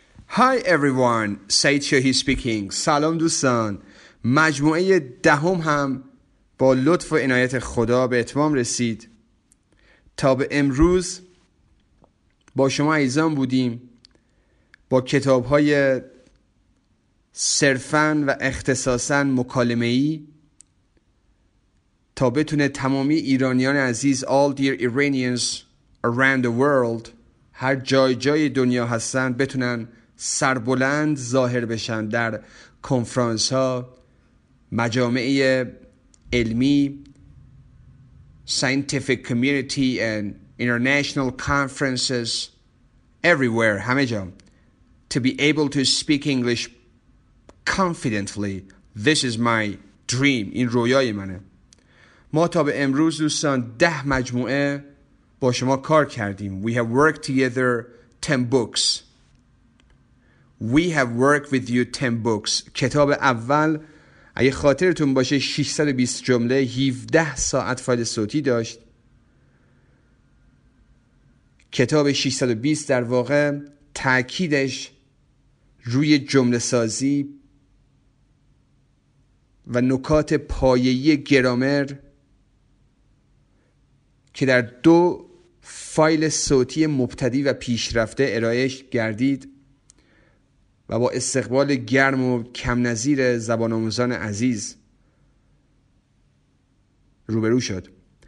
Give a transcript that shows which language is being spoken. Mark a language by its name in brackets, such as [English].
[English] Hi everyone, Said Shahi speaking. [Persian] سلام دوستان. مجموعه دهم هم با لطف و عنایت خدا به اتمام رسید. تا به امروز با شما عزیزان بودیم با کتاب‌های صرفاً و اختصاصاً مکالمه‌ای تا بتونه تمامی ایرانیان عزیز [English] All dear Iranians around the world [Persian] هر جای دنیا هستن بتونن سربلند ظاهر بشن در کنفرانس ها، مجامع علمی [English] scientific community and international conferences everywhere [Persian] همه جا [English] to be able to speak English confidently. This is my dream. [Persian] این رویای منه. ما تا به امروز دوستان 10 مجموعه با شما کار کردیم. [English] We have worked together 10 books. We have worked with you 10 books. [Persian] کتاب اول اگه خاطرتون باشه 620 جمله 17 ساعت فایل صوتی داشت. کتاب 620 در واقع تأکیدش روی جمله سازی و نکات پایه‌ای گرامر که در دو فایل صوتی مبتدی و پیشرفته ارائه گردید و با استقبال گرم و کم نظیر زبان آموزان عزیز روبرو شد.